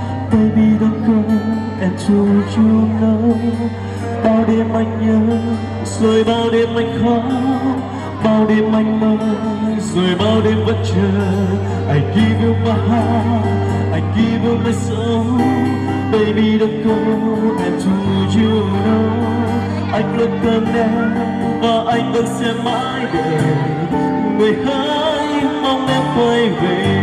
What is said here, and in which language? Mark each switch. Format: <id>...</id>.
<en>Baby don't go, and to you know.</en> <vi>Bao đêm anh nhớ, rồi bao đêm anh khóc. Bao đêm anh mơ, rồi bao đêm vẫn chờ.</vi> <en>I give you my heart, I give you my soul. Baby don't go, and to you know.</en> <vi>Anh luôn cần em, và anh vẫn sẽ mãi đợi. Người hãy mong em quay về.</vi>